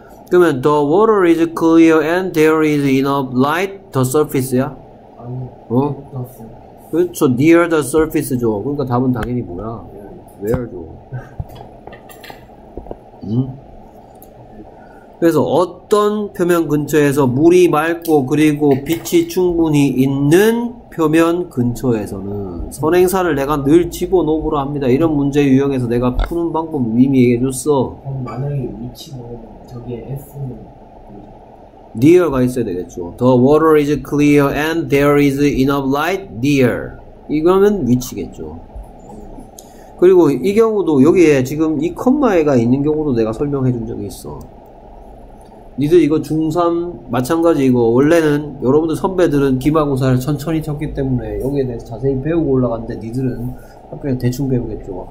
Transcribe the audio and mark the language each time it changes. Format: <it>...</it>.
<ko>그러면</ko> <en>the water is clear and there is enough light the surface야?</en> <ko>아니요. 어? 그렇죠. near the surface죠. 그러니까 답은 당연히 뭐야? where죠. 그래서 어떤 표면 근처에서 물이 맑고 그리고 빛이 충분히 있는 표면 근처에서는 선행사를 내가 늘 집어넣으라 합니다. 이런 문제 유형에서 내가 푸는 방법 이미 얘기해줬어. 만약에 위치로 저기 S는 near가 있어야 되겠죠.</ko> <en>The water is clear and there is enough light near.</en> <ko>이거면 위치겠죠. 그리고 이 경우도 여기에 지금 이 콤마가 있는 경우도 내가 설명해준 적이 있어. 니들 이거 중3 마찬가지 이거 원래는 여러분들 선배들은 기말고사를 천천히 쳤기 때문에 여기에 대해서 자세히 배우고 올라갔는데 니들은 학교에서 대충 배우겠죠.</ko>